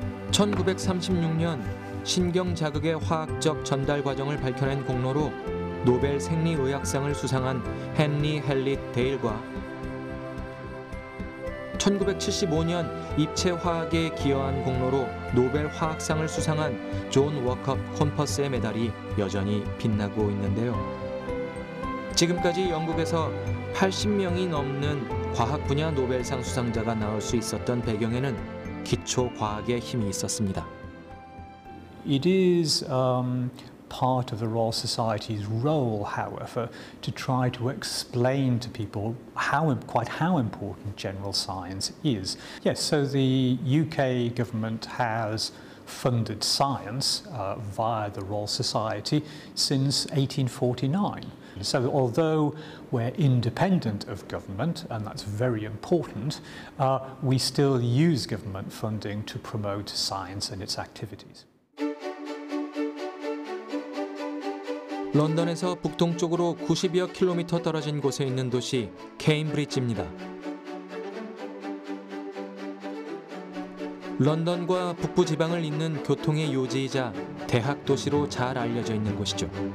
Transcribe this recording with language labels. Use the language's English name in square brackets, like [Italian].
[Korean] 1936년 신경 자극의 화학적 전달 과정을 밝혀낸 공로로 노벨 생리의학상을 수상한 헨리 헬릿 데일과 1975년 입체 화학에 기여한 공로로 노벨 화학상을 수상한 존 워컵 콤퍼스의 메달이 여전히 빛나고 있는데요. 지금까지 영국에서 80명이 넘는 과학 분야 노벨상 수상자가 나올 수 있었던 배경에는 기초 과학의 힘이 있었습니다. [English] It is part of the Royal Society's role, however, to try to explain to people how important general science is. Yes, so the UK government has funded science via the Royal Society since 1849. So although we're independent of government, and that's very important, we still use government funding to promote science and its activities. [Korean] 런던에서 북동쪽으로 90여 킬로미터 떨어진 곳에 있는 도시 케임브리지입니다. 런던과 북부 지방을 잇는 교통의 요지이자 대학 도시로 잘 알려져 있는 곳이죠.